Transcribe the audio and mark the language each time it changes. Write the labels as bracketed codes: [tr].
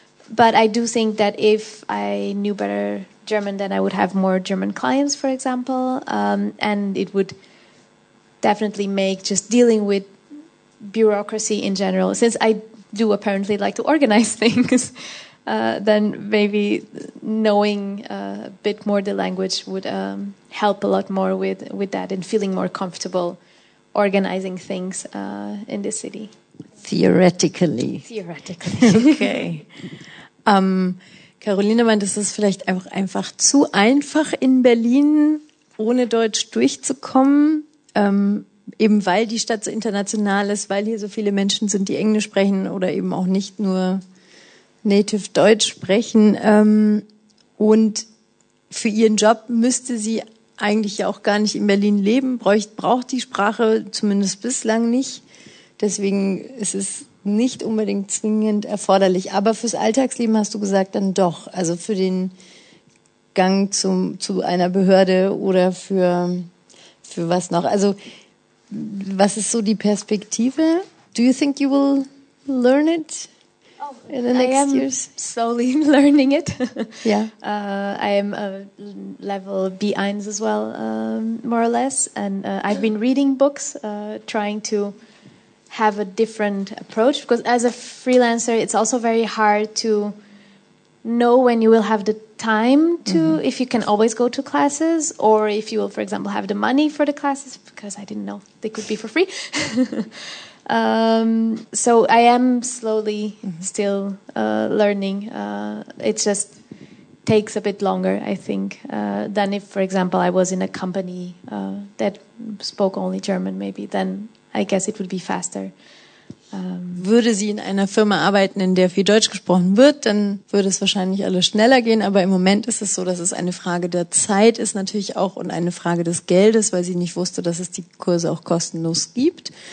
[en] But I do think that if I knew better German, then I would have more German clients, for example, and it would definitely make just dealing with bureaucracy in general, since I do apparently like to organize things, then maybe knowing a bit more the language would help a lot more with that, and feeling more comfortable organizing things in the city. Theoretically. Okay. [de] Caroline meint, es ist vielleicht einfach zu einfach in Berlin, ohne Deutsch durchzukommen, eben weil die Stadt so international ist, weil hier so viele Menschen sind, die Englisch sprechen oder eben auch nicht nur Native Deutsch sprechen. Und für ihren Job müsste sie eigentlich ja auch gar nicht in Berlin leben, braucht die Sprache zumindest bislang nicht. Deswegen ist es nicht unbedingt zwingend erforderlich. Aber fürs Alltagsleben hast du gesagt, dann doch. Also für den Gang zu einer Behörde oder für was noch? Also, was ist so die Perspektive? [en] Do you think you will learn it in the next years? I am slowly learning it. Yeah. I am a level B1 as well, more or less. And I've been reading books, trying to have a different approach. Because as a freelancer, it's also very hard to know when you will have the time to, mm-hmm. if you can always go to classes, or if you will, for example, have the money for the classes, because I didn't know they could be for free. So I am slowly mm-hmm. still learning. It just takes a bit longer, I think, than if, for example, I was in a company that spoke only German, maybe, then I guess it would be faster. [de] Würde sie in einer Firma arbeiten, in der viel Deutsch gesprochen wird, dann würde es wahrscheinlich alles schneller gehen. Aber im Moment ist es so, dass es eine Frage der Zeit ist natürlich auch und eine Frage des Geldes, weil sie nicht wusste, dass es die Kurse auch kostenlos gibt.